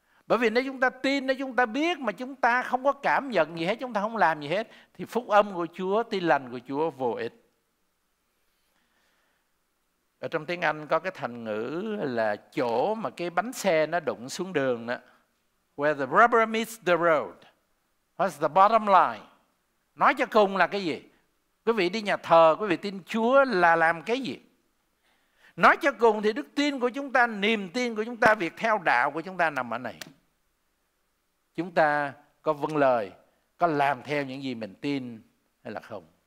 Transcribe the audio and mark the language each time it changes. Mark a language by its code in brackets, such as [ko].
[vi] Bởi vì nếu chúng ta tin, nếu chúng ta biết mà chúng ta không có cảm nhận gì hết, chúng ta không làm gì hết, thì Phúc Âm của Chúa, tin lành của Chúa vô ích. Ở trong tiếng Anh có cái thành ngữ là chỗ mà cái bánh xe nó đụng xuống đường đó. [en] Where the rubber meets the road. What's the bottom line? [vi] Nói cho cùng là cái gì? Quý vị đi nhà thờ, quý vị tin Chúa là làm cái gì? Nói cho cùng thì đức tin của chúng ta, niềm tin của chúng ta, việc theo đạo của chúng ta nằm ở này. Chúng ta có vâng lời có làm theo những gì mình tin hay là không.